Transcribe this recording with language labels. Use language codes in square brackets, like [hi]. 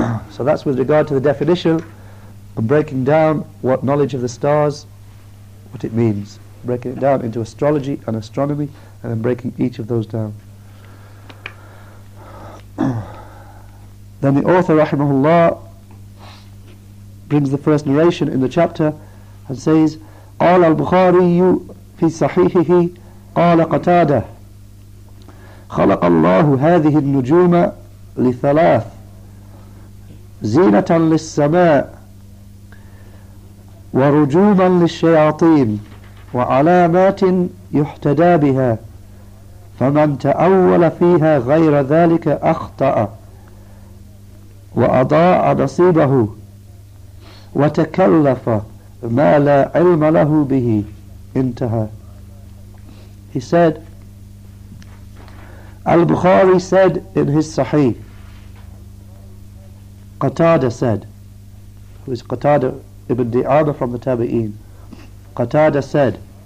[en] So that's with regard to the definition of breaking down what knowledge of the stars, what it means. Breaking it down into astrology and astronomy, and then breaking each of those down. Then the author, rahimahullah, brings the first narration in the chapter and says, [ar] قال البخاري في صحيحه قال قتادة خلق الله هذه النجوم لثلاث زينة للسماء ورجوما للشياطين وعلامات يحتدى بها فمن تأول فيها غير ذلك أخطأ وأضاع نصيبه وتكلف ما لا علم له به انتهى. [en] He said, Al-Bukhari said in his Sahih, Qatada said, who is Qatada ibn Di'ana from the Tabi'een, Qatada said,